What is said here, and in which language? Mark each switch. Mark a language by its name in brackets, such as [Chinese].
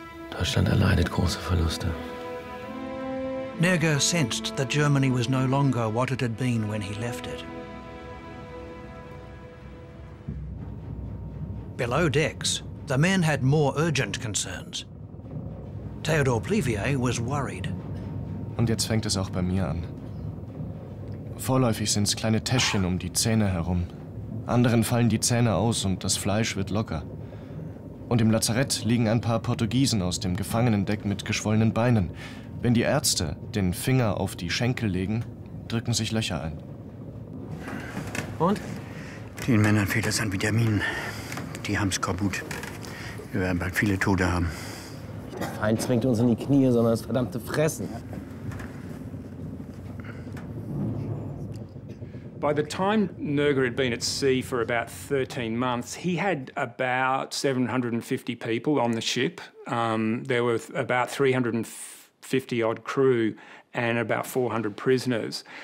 [German] Deutschland erleidet große Verluste. [English] Naga sensed that Germany was no longer what it had been when he left it. Below decks, the men had more urgent concerns. Theodor Plivier was worried. [German] Und jetzt fängt es auch bei mir an. Vorläufig sind's kleine Täschchen um die Zähne herum. Anderen fallen die Zähne aus und das Fleisch wird locker. Und im Lazarett liegen ein paar Portugiesen aus dem Gefangenendeck mit geschwollenen Beinen. Wenn die Ärzte den Finger auf die Schenkel legen, drücken sich Löcher ein. Und? Den Männern fehlt es an Vitaminen. Die haben Skorbut. Wir werden bald viele Tote haben. Nicht der Feind zwingt uns in die Knie, sondern das verdammte Fressen. [English] By the time Naga had been at sea for about 13 months, he had about 750 people on the ship. There were about 350 odd crew and about 400 prisoners.